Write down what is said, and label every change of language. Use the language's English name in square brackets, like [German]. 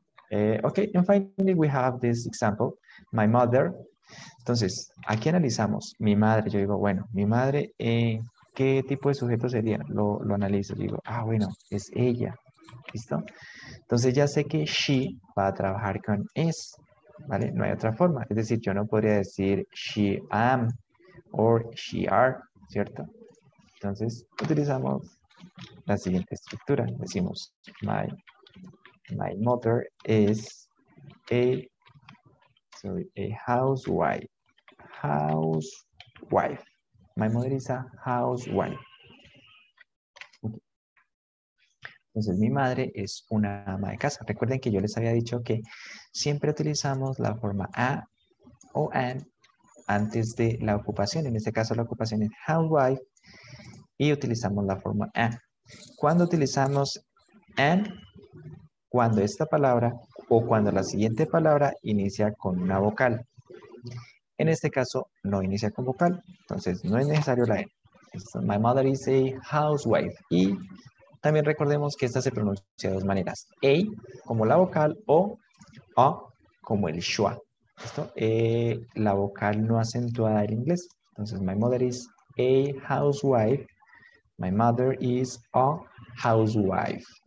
[English] Okay, and finally we have this example, my mother. [Spanish] Entonces, aquí analizamos mi madre. Yo digo, bueno, mi madre, ¿qué tipo de sujeto sería? Lo analizo. Digo, ah, bueno, es ella. ¿Listo? Entonces ya sé que she va a trabajar con is, ¿vale? No hay otra forma. Es decir, yo no podría decir [English] she am or she are, [Spanish] ¿cierto? Entonces utilizamos la siguiente estructura. Decimos, [English] my mother is a housewife. Housewife. My mother is a housewife. [Spanish] Entonces, mi madre es una ama de casa. Recuerden que yo les había dicho que siempre utilizamos la forma a o an antes de la ocupación. En este caso, la ocupación es housewife y utilizamos la forma a. ¿Cuándo utilizamos an? Cuando esta palabra o cuando la siguiente palabra inicia con una vocal. En este caso, no inicia con vocal. Entonces, no es necesario la n. [English] So, my mother is a housewife. [Spanish] Y también recordemos que esta se pronuncia de dos maneras. A como la vocal o A como el schwa. ¿Listo? La vocal no acentuada del inglés. [English] Entonces, my mother is a housewife. My mother is a housewife.